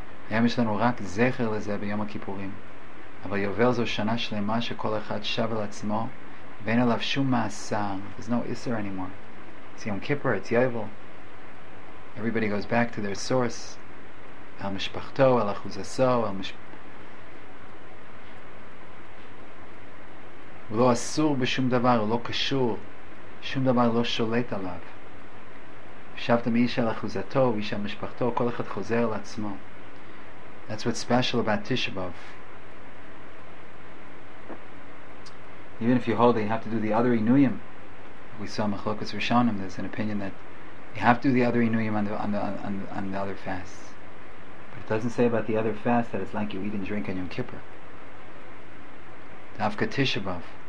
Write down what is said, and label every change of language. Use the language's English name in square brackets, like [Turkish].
[Hebrew] היום יש לנו רק זכר לזה ביום הכיפורים. אבל יובל זו שנה שלמה שכל אחד שב על עצמו ואין עליו שום מעשר. [English] There's no Isser anymore. It's Yom Kippur, it's Yovel. Everybody goes back to their source. [Hebrew] אל משפחתו, אל אחוזסו, אל משפחתו. הוא לא אסור בשום דבר, הוא לא קשור. שום דבר לא שולט עליו. שבת מאיש על אחוזתו, איש על משפחתו, כל אחד חוזר על עצמו. [English] That's what's special about Tisha B'Av. Even if you hold that you have to do the other Inuyim, we saw Machlokas Rishonim, there's an opinion that you have to do the other Inuyim on the other fasts. But it doesn't say about the other fasts that it's like you eat and drink on Yom Kippur. Davka Tisha B'Av.